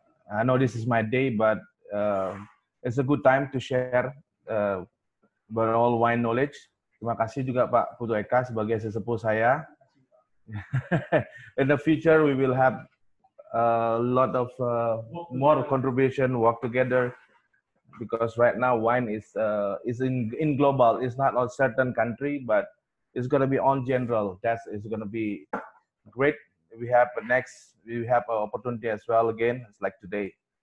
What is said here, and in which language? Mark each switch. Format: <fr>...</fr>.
<en>I know this is my day, but it's a good time to share about all wine knowledge.</en> <id>Terima kasih juga Pak Putu Eka sebagai sesepuh saya.</id> <en>In the future, we will have a lot of more contribution, work together, because right now wine is in global. It's not on certain country, but it's going to be on general. That is going to be great. We have an opportunity as well again, it's like today.</en>